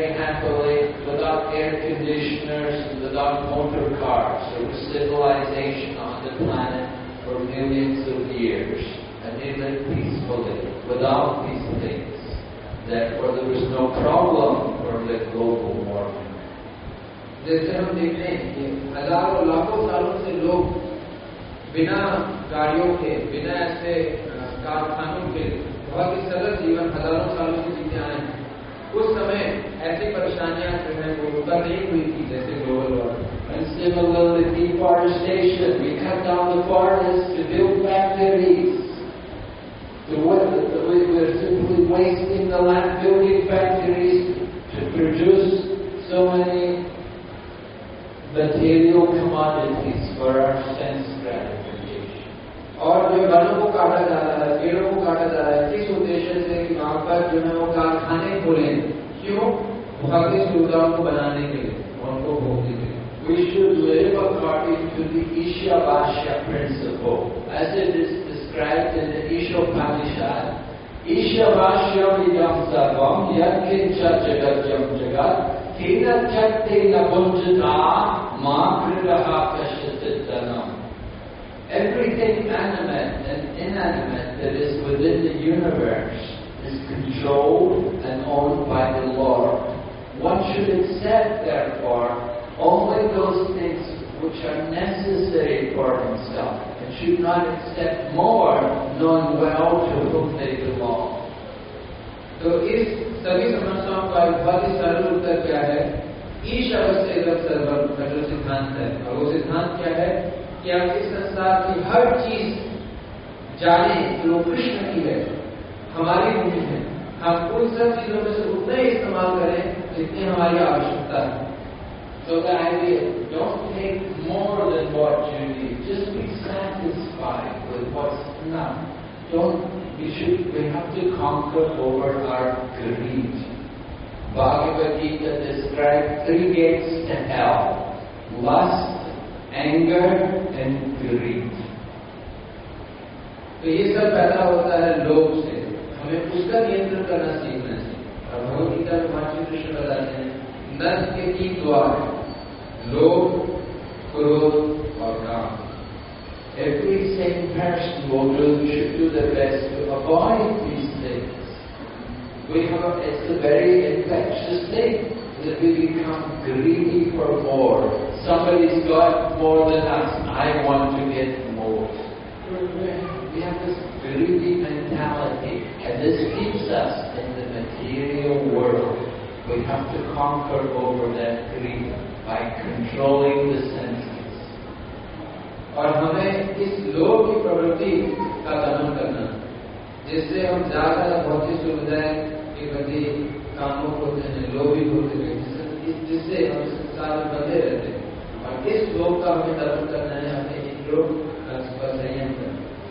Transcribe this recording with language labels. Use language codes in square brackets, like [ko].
[en] conditioners, without motor cars. There was civilization on the planet for millions of years, and even peacefully, without these things. Therefore, there was no problem for the global warming. [hi] जैसे हम देखते हैं कि हजारों लाखों सालों से लोग बिना गाड़ियों के, बिना ऐसे कारखानों के बहुत ही सरल जीवन हजारों सालों से जीते आए हैं. उस समय ऐसी परेशानियां जो है वो उत्पन्न नहीं हुई थी जैसे global warming. [en] Deforestation, we cut down the forest to build factories, we are simply wasting the land building factories to produce so many material commodities for our sense gratification. [hi] और जो वनों को काटा जा रहा है, पेड़ों को काटा जा रहा है, किस उद्देश्य से कि वहां पर जो है वो कारखाने खोले, क्यों? भौतिक सुविधाओं को बनाने के लिए, उनको भोगने के लिए. [en] We should live according to the Ishabhasya principle, as it is described in the Ishopanishad. [sa] Ishabhasya vidyam sarvam yad kincha jagat jam jagat [en] Everything animate and inanimate that is within the universe is controlled and owned by the Lord. One should accept, therefore, only those things which are necessary for himself and should not accept more, knowing well to whom they belong. [hi] तो इस सभी समस्याओं का एक बहुत ही सरल उत्तर क्या है? ईश अवश्य सर्वम का जो सिद्धांत है. और वो सिद्धांत क्या है कि आप इस संसार की हर चीज जाने जो कृष्ण की है, हमारी भूमि है, हम उन सब चीजों में से उतने ही इस्तेमाल करें जितनी हमारी आवश्यकता है. [en] So the idea, don't take more than what you need, just be satisfied with what's enough. We have to conquer over our greed. Bhagavad Gita described three gates to hell: lust, anger, and greed. [hi] तो ये सब पैदा होता है लोभ से. हमें उसका नियंत्रण करना सीखना चाहिए. और भगवद गीता में भगवान श्री कृष्ण बताते हैं नर्क के तीन द्वार हैं: लोभ, क्रोध और काम. [en] Every saint person should do their best to avoid these things. It's a very infectious thing that we become greedy for more. Somebody's got more than us, I want to get more. We have this greedy mentality, and this keeps us in the material world. We have to conquer over that greed by controlling the senses. [hi] और हमें इस लोभ की प्रवृत्ति का दमन करना, जिससे हम ज्यादा भौतिक सुविधाएं के प्रति कामों को देने लोभी होते हैं, जिससे हम संसार में बंधे रहते हैं. और इस लोभ का हमें दमन करना है, हमें इस लोभ का संयम करना.